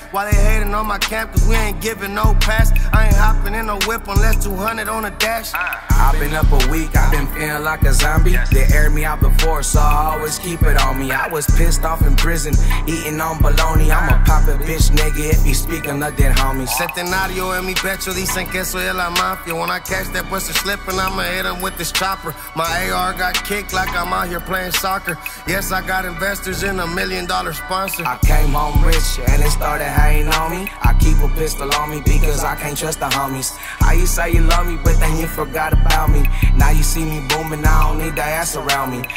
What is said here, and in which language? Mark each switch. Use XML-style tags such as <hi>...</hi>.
<en>While they hatin' on my camp, cause we ain't giving no pass. I ain't hoppin' in no whip unless 200 on a dash. I've been up a week, I've been feeling like a zombie. They aired me out before, so I always keep it on me. I was pissed off in prison, eating on bologna. I'ma pop a bitch, nigga, if he speaking of dead homies.</en> <es>Centenario en mi pecho, dicen que soy de la mafia.</es> <en>When I catch that bus, it's slipping, I'ma hit him with this chopper. My AR got kicked like I'm out here playing soccer. Yes, I got investors in a $1 million sponsor. I came home rich, and they started hating on me. I keep a pistol on me because I can't trust the homies. How you say you love me, but then you forgot about me? Now you see me booming, I don't need that ass around me.</en>